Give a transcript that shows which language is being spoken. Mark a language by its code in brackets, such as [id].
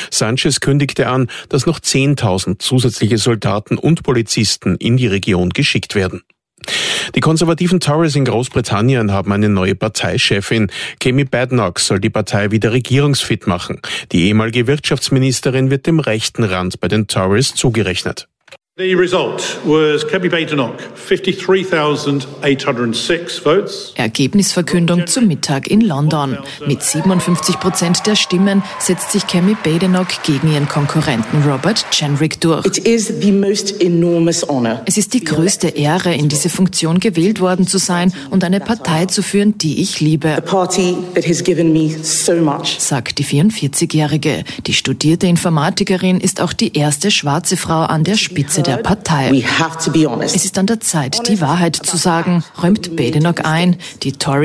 [de] Sanchez kündigte an, dass noch 10.000 zusätzliche Soldaten und Polizisten in die Region geschickt werden. Die konservativen Tories in Großbritannien haben eine neue Parteichefin. Kemi Badenoch soll die Partei wieder regierungsfit machen. Die ehemalige Wirtschaftsministerin wird dem rechten Rand bei den Tories zugerechnet. [en] The result was Kemi Badenoch, 53.806 votes. [de] Ergebnisverkündung zum Mittag in London. Mit 57% der Stimmen setzt sich Kemi Badenoch gegen ihren Konkurrenten Robert Chenwick durch. [en] It is the most enormous honor. [de] Es ist die größte Ehre, in diese Funktion gewählt worden zu sein und eine Partei zu führen, die ich liebe. [en] A party that has given me so much. [de] Sagt die 44-Jährige. Die studierte Informatikerin ist auch die erste schwarze Frau an der Spitze der Partei. [en] We have to be honest. [de] Es ist an der Zeit, die Wahrheit zu sagen, räumt Badenoch ein. Die Tories